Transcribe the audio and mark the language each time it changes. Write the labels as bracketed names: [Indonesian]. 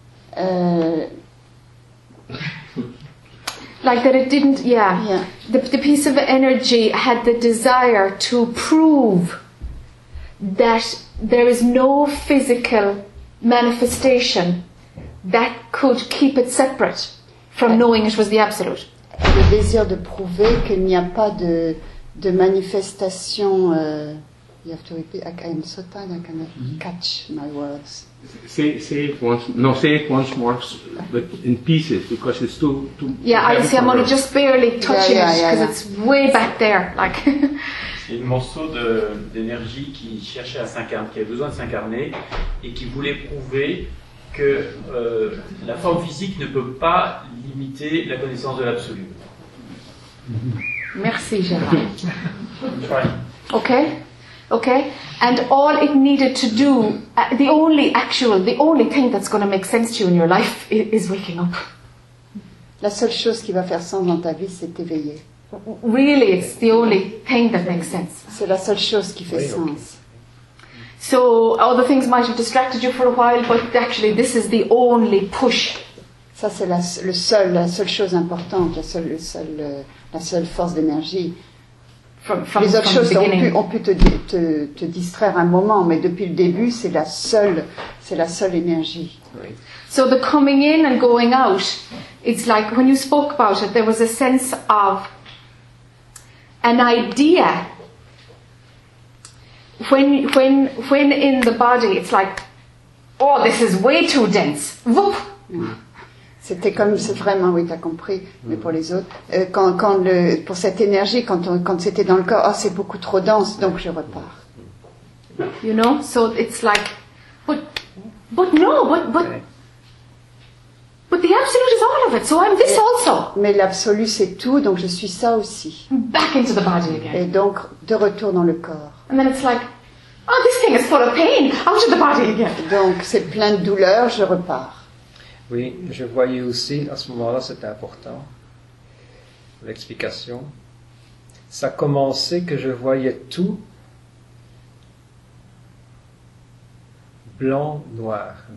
[English] Like that it didn't, yeah. Yeah. The piece of energy had the desire to prove that there is no physical manifestation that could keep it separate from knowing it was the absolute. [French] Le désir de prouver qu'il n'y a pas de manifestation. [English] You have to repeat. I'm so tired. I cannot catch my words. Say it once. No, say it once more, but in pieces because it's too. Yeah, I see. I'm only just barely touching it because it's way back there. Like. [French] C'est un morceau d'énergie qui cherchait à s'incarner, qui a besoin de s'incarner, et qui voulait prouver. Que la forme physique ne peut pas limiter la connaissance de l'absolu. Merci, Gérard. Okay. [English] And all it needed to do, the only thing that's going to make sense to you in your life is waking up. [French] La seule chose qui va faire sens dans ta vie, c'est t'éveiller. [English] Really, it's the only thing that makes sense. [French] C'est la seule chose qui fait sens. [English] So other things might have distracted you for a while, but actually this is the only push. [French] Ça c'est la seule chose importante, la seule force d'énergie. [English] From [French] les autres [English] from [French] choses [English] the beginning. [French] ont pu te distraire un moment, mais depuis le début c'est la seule énergie. [English] Right. So the coming in and going out, it's like when you spoke about it, there was a sense of an idea. When in the body, it's like, oh, this is way too dense. Whoop! [French] C'était comme c'est vraiment, oui, t'as compris, mais pour les autres. Pour cette énergie, quand c'était dans le corps, c'est beaucoup trop dense, donc je repars. [English] You know, so it's like, but the absolute is all of it, so I'm this also. [French] Mais l'absolu c'est tout, donc je suis ça aussi. [English] Back into the body again. [French] Et donc, de retour dans le corps. [English] And then it's like, oh, this thing is full of pain, out of the body again. [French] Donc, c'est plein de douleur, je repars. Oui, je voyais aussi, à ce moment-là, c'était important, l'explication. Ça commençait que je voyais tout blanc-noir.